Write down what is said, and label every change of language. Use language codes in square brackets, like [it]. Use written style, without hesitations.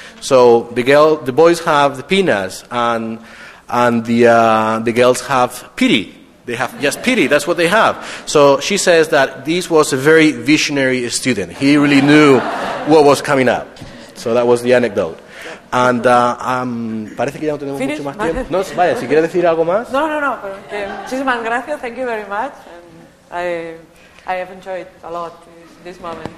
[en] So the boys have the penis, and the girls have pity. They have just pity. That's what they have. So she says that this was a very visionary student. He really knew what was coming up. So that was the anecdote. [es] Parece que ya no tenemos mucho más tiempo. No, vaya, si quieres decir algo más. No. Muchísimas gracias. [en] Thank you very much. And I have enjoyed a lot this moment.